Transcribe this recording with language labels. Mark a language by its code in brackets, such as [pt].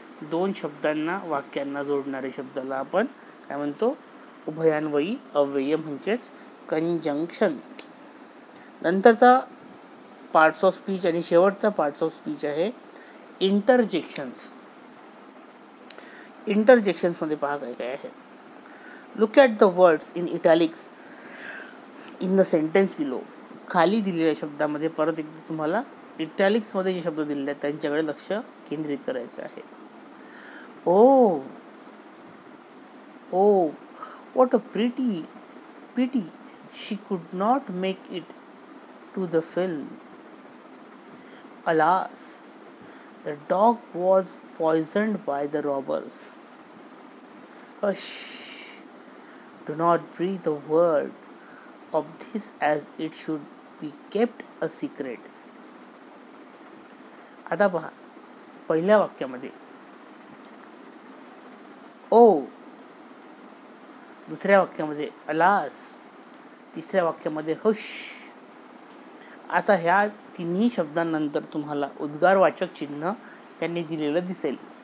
[mr] दोन शब्दांना वाक्यांना जोडणाऱ्या शब्दाला आपण काय म्हणतो उभयान्वयी अव्यय म्हणजेच कंजंक्शन. नंतरचा पार्ट्स ऑफ स्पीच आणि शेवटचा पार्ट्स ऑफ स्पीच आहे इंटरजेक्शन्स. इंटरजेक्शन्समध्ये पहा काय काय आहे. [en] Look at the words in italics in the sentence below. [mr] खाली दिलेल्या शब्दामध्ये परत एकदा तुम्हाला इटॅलिक्समध्ये जे शब्द दिलेले आहेत त्यांच्याकडे लक्ष केंद्रित करायचं आहे. [en] Oh oh what a pretty pity she could not make it to the film. Alas the dog was poisoned by the robbers. Hush do not breathe a word of this as it should be kept a secret. [mr] आता पहा पहिल्या वाक्यामध्ये ओ, दुसऱ्या वाक्यामध्ये अलास, तिसऱ्या वाक्यामध्ये हुश. आता ह्या तिन्ही शब्दांनंतर तुम्हाला उद्गारवाचक चिन्ह त्यांनी दिलेलं दिसेल.